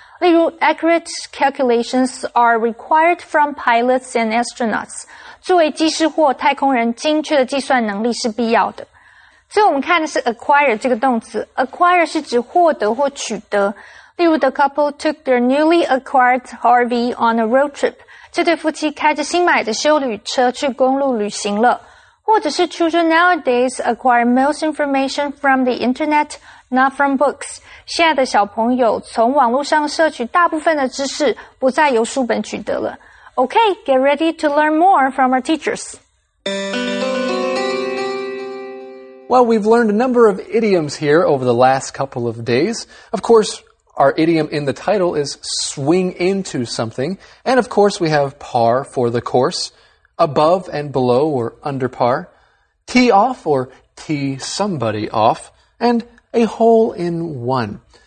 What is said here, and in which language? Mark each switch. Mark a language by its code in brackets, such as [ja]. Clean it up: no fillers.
[zh] 例如 [en] ,accurate calculations are required from pilots and astronauts. [zh] 作为机师或太空人精确的计算能力是必要的。所以我们看的是 acquire 这个动词。acquire 是指获得或取得。例如 [en] ,the couple took their newly acquired RV on a road trip. [zh] 这对夫妻开着新买的休旅车去公路旅行了。或者是 [en] children nowadays acquire most information from the internet, not from books. [zh] 现在的小朋友从网络上摄取大部分的知识不再由书本取得了。 [en] Okay, get ready to learn more from our teachers. Well, we've learned a number of idioms here over the last couple of days. Of course,our idiom in the title is swing into something. And of course, we have par for the course, above and below or under par, tee off or tee somebody off, and a hole in one.